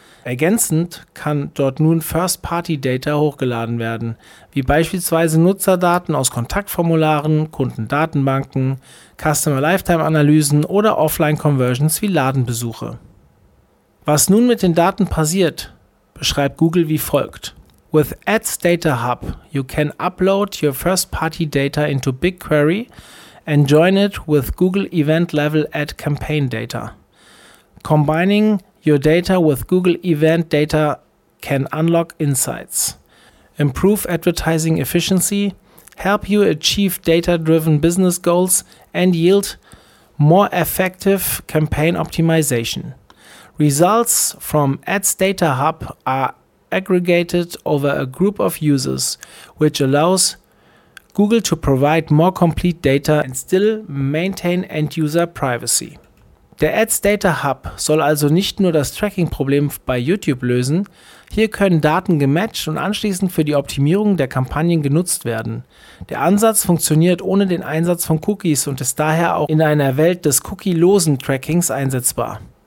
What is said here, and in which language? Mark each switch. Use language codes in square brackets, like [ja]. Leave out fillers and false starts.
[de] Ergänzend kann dort nun First-Party-Data hochgeladen werden, wie beispielsweise Nutzerdaten aus Kontaktformularen, Kundendatenbanken, Customer-Lifetime-Analysen oder Offline-Conversions wie Ladenbesuche. Was nun mit den Daten passiert, beschreibt Google wie folgt. [en] With Ads Data Hub, you can upload your First-Party-Data into BigQuery and join it with Google Event-Level Ad Campaign Data. Combining your data with Google Event Data can unlock insights, improve advertising efficiency, help you achieve data-driven business goals and yield more effective campaign optimization. Results from Ads Data Hub are aggregated over a group of users, which allows Google to provide more complete data and still maintain end-user privacy. [de] Der Ads Data Hub soll also nicht nur das Tracking-Problem bei YouTube lösen, hier können Daten gematcht und anschließend für die Optimierung der Kampagnen genutzt werden. Der Ansatz funktioniert ohne den Einsatz von Cookies und ist daher auch in einer Welt des cookie-losen Trackings einsetzbar.